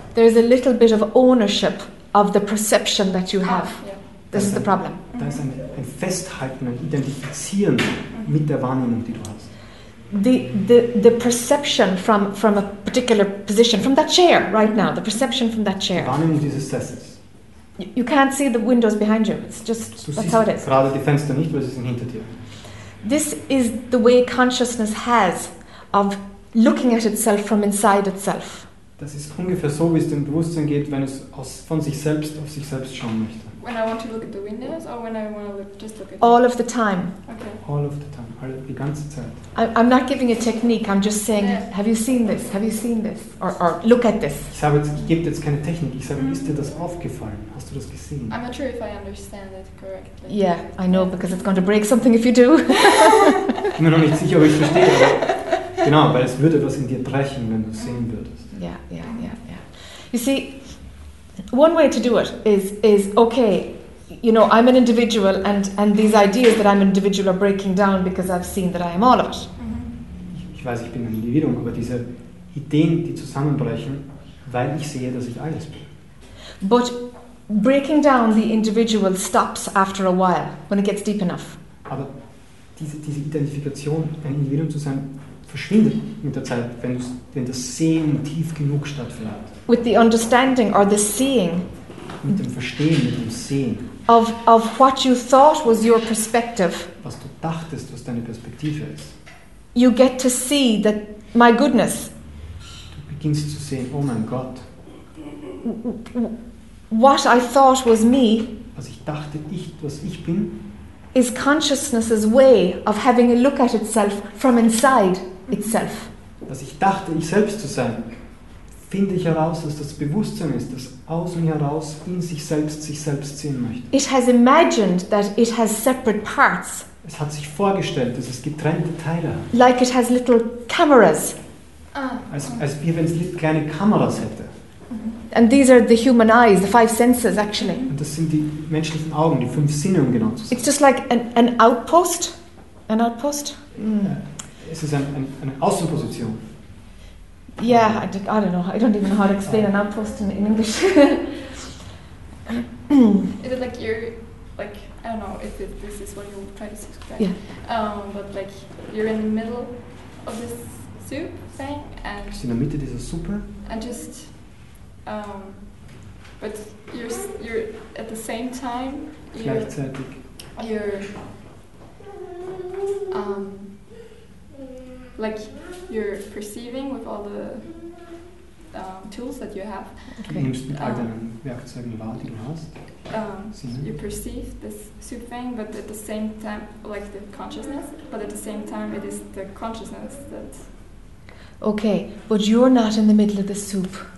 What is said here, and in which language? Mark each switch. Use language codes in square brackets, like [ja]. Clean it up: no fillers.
[en] There is a little bit of ownership of the perception that you have. Yeah. This is the problem. [de] Da ist ein Festhalten, ein Identifizieren mit der Wahrnehmung, die du hast. [en] The perception from a particular position, from that chair right now, the perception from that chair. [de] Die Wahrnehmung dieses Sessels. [en] You can't see the windows behind you. It's just, that's how it is. [de] Du siehst gerade die Fenster nicht, weil sie sind hinter dir. [en] This is the way consciousness has of looking at itself from inside itself. [de] Das ist ungefähr so, wie es dem Bewusstsein geht, wenn es von sich selbst auf sich selbst schauen möchte. [en] When I want to look at the windows, or when I want to just look at it? All of the time. Okay. All of the time. All [de] die ganze Zeit. [en] I'm not giving a technique. I'm just saying, yeah. Have you seen this? Have you seen this? Or look at this. [de] Ich gebe jetzt keine Technik. Ich sage, ist dir das aufgefallen? Hast du das gesehen? [en] I'm not sure if I understand it correctly. Yeah, I know, because it's going to break something if you do. [de] Ich bin noch nicht sicher, ob ich verstehe. Genau, weil es würde was in dir brechen, wenn du es sehen würdest. [en] Yeah. You see, one way to do it is okay, you know, I'm an individual and these ideas that I'm an individual are breaking down because I've seen that I am all of it. [de] Ich weiß, ich bin ein Individuum, aber diese Ideen, die zusammenbrechen, weil ich sehe, dass ich alles bin. [en] But breaking down the individual stops after a while, when it gets deep enough. [de] Aber diese Identifikation, ein Individuum zu sein, verschwindet mit der Zeit, wenn das Sehen tief genug stattfindet. [en] With the understanding or the seeing. [de] Mit dem Verstehen, mit dem Sehen. [en] Of what you thought was your perspective. [de] Was du dachtest, was deine Perspektive ist. [en] You get to see that, my goodness. [de] Du beginnst zu sehen, oh mein Gott. [en] What I thought was me. [de] Was ich dachte, ich, was ich bin. [en] Is consciousness's way of having a look at itself from inside itself. [de] Was ich dachte, ich selbst zu sein, finde ich heraus, dass das Bewusstsein ist, das aus mir heraus in sich selbst sehen möchte. [en] It has imagined that it has separate parts. [de] Es hat sich vorgestellt, dass es getrennte Teile hat. [en] Like it has little cameras. [de] Als wie wenn es kleine Kameras hätte. [en] And these are the human eyes, the five senses, actually. [de] Und das sind die menschlichen Augen, die fünf Sinne, um genau zu sein. [en] It's just like an outpost. An outpost? [de] Mm. Es ist eine Außenposition. [en] Yeah, I don't know. I don't even know how to explain an outpost in English. Is it like you're, like, I don't know if this is what you're trying to describe. Yeah. But like, you're in the middle of this soup thing, and... [de] Ist in der Mitte dieser Suppe. [en] And just... but you're at the same time you're perceiving with all the tools that you have. Okay. [de] Nimmst mit all deinen Werkzeugen wahr, die du hast. [en] You perceive this soup thing, but at the same time, like the consciousness, but at the same time, it is the consciousness that. Okay, but you're not in the middle of the soup.